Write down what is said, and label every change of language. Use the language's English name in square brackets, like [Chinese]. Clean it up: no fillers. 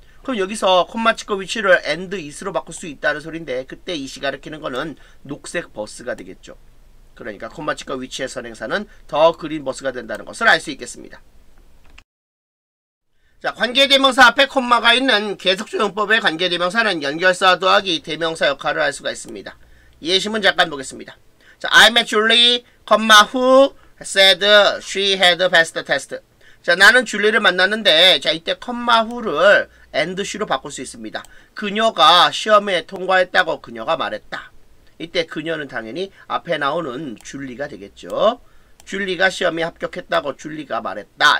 [Korean] 그럼 여기서 콤마치커 위치를 and is로 바꿀 수 있다는 소리인데 그때 is 가르키는 거는 녹색 버스가 되겠죠. 그러니까 콤마치커 위치의 선행사는 더 그린 버스가 된다는 것을 알 수 있겠습니다. 자, 관계대명사 앞에 콤마가 있는 계속적 용법의 관계대명사는 연결사 더하기 대명사 역할을 할 수가 있습니다. 예시문 잠깐 보겠습니다. [English] 자, I met Julie, who said she had passed the test. [Korean] 자, 나는 줄리를 만났는데 자, 이때 콤마 후를 and she로 바꿀 수 있습니다. 그녀가 시험에 통과했다고 그녀가 말했다. 이때 그녀는 당연히 앞에 나오는 줄리가 되겠죠. 줄리가 시험에 합격했다고 줄리가 말했다.